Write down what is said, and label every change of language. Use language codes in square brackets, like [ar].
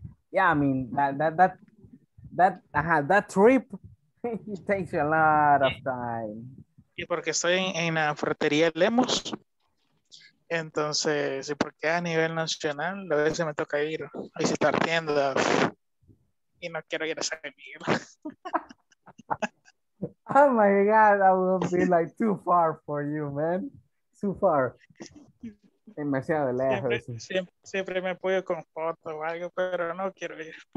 [en] Yeah, I mean, that trip it takes a lot of time. [es] Y porque estoy en la ferretería Lemos. Entonces, sí, porque a nivel nacional a veces me toca ir a visitar tiendas y no quiero ir a San Miguel. [en] Oh my God, that would be like too far for you, man. Too far. [es] Demasiado lejos. Siempre me apoyo con fotos o algo, pero no quiero ir.